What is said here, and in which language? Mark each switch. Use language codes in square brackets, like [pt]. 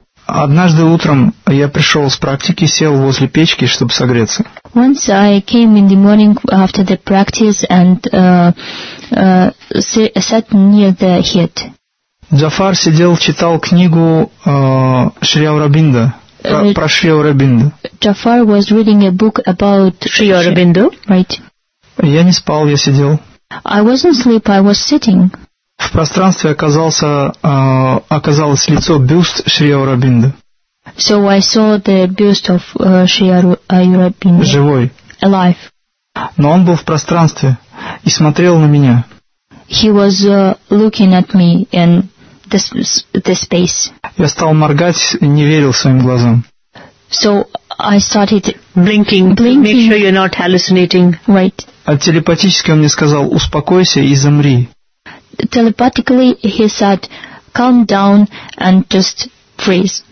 [ru] Однажды утром я пришел с практики, сел возле печки, чтобы согреться. [en] Once I came in the morning after the practice and sat near the heat. [ru] Джафар сидел, читал книгу Шри Аурабинда. Про Шри Аурабинду. [en] Джафар was reading a book about [ru] Шри Аурабинду. [en] Right. [ru] Я не спал, я сидел. [en] I wasn't asleep, I was sitting. [ru] В пространстве оказалось лицо, бюст Шри Аурабинда. [en] So I saw the bust of Шри Аурабинда. [ru] Живой. [en] Alive. [ru] Но он был в пространстве и смотрел на меня. [en] He was looking at me in the space. [ru] Я стал моргать, не верил своим глазам. [en] So I started blinking. Make sure you're not hallucinating. Right. [ru] А телепатически он мне сказал: «Успокойся и замри». [en] Telepathically, he said, calm down and just freeze.